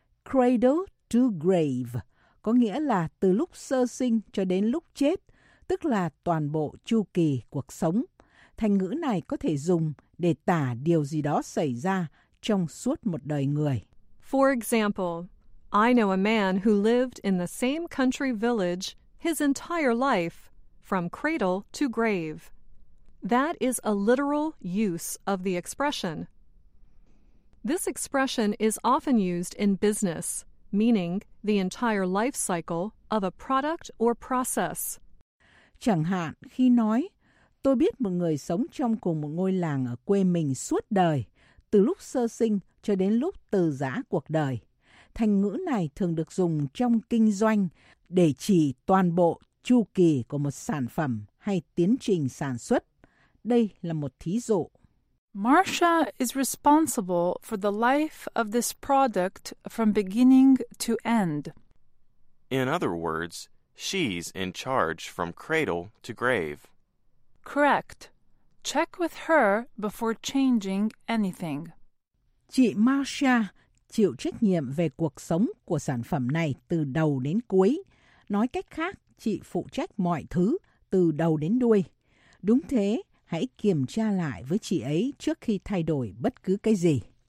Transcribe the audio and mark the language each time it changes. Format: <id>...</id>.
<en>Cradle to grave</en> <vi>có nghĩa là từ lúc sơ sinh cho đến lúc chết, tức là toàn bộ chu kỳ cuộc sống. Thành ngữ này có thể dùng để tả điều gì đó xảy ra trong suốt một đời người.</vi> <en>For example, I know a man who lived in the same country village his entire life, from cradle to grave. That is a literal use of the expression. This expression is often used in business, meaning the entire life cycle of a product or process.</en> <vi>Chẳng hạn, khi nói, tôi biết một người sống trong cùng một ngôi làng ở quê mình suốt đời, từ lúc sơ sinh cho đến lúc từ giã cuộc đời. Thành ngữ này thường được dùng trong kinh doanh để chỉ toàn bộ chu kỳ của một sản phẩm hay tiến trình sản xuất. Đây là một thí dụ.</vi> <en>Marcia is responsible for the life of this product from beginning to end. In other words, she's in charge from cradle to grave. Correct. Check with her before changing anything.</en> <vi>Chị Marcia chịu trách nhiệm về cuộc sống của sản phẩm này từ đầu đến cuối. Nói cách khác, chị phụ trách mọi thứ từ đầu đến đuôi. Đúng thế. Hãy kiểm tra lại với chị ấy trước khi thay đổi bất cứ cái gì.</vi>